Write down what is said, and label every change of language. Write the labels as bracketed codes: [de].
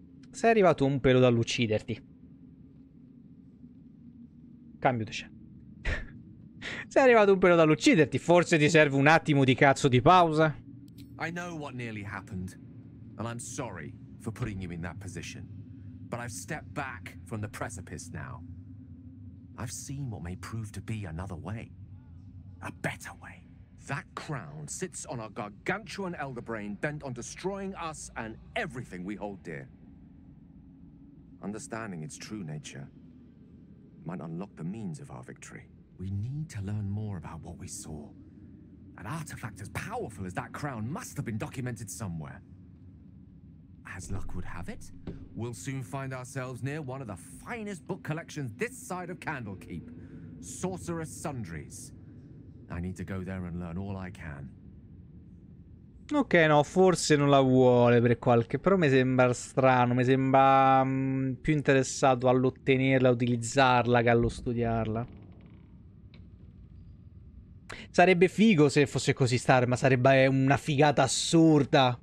[it] Sei arrivato un pelo dall'ucciderti. Cambio di scena. Sei arrivato un pelo dall'ucciderti. Forse ti serve un attimo di cazzo di pausa. [en] I know what nearly happened, and I'm sorry for putting you in that position, but I've stepped back from the precipice now. I've seen what may prove to be another way, a better way. That crown sits on a gargantuan elder brain bent on destroying us and everything we hold dear. Understanding its true nature might unlock the means of our victory. We need to learn more about what we saw. An artifact as powerful as that crown must have been documented somewhere. As luck would have it, we'll soon find ourselves near one of the finest book collections this side of Candlekeep, Sorcerer's Sundries. I need to go there and learn all I can. [it] Ok, no, forse non la vuole per qualche... Però mi sembra strano, mi sembra più interessato all'ottenerla, utilizzarla, che allo studiarla. Sarebbe figo se fosse così Star, ma sarebbe una figata assurda.